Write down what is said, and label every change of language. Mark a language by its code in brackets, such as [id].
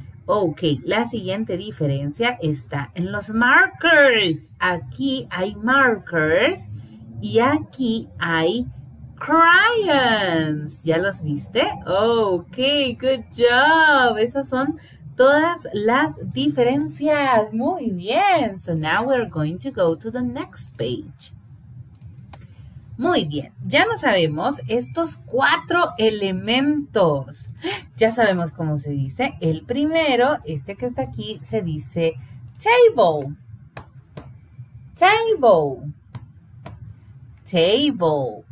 [es] Ok, la siguiente diferencia está en los markers. Aquí hay markers y aquí hay crayons. ¿Ya los viste? Ok, good job. Esas son todas las diferencias. Muy bien. [en] So now we're going to go to the next page. [es] Muy bien. Ya no sabemos estos cuatro elementos. Ya sabemos cómo se dice. El primero, este que está aquí, se dice table. Table. Table.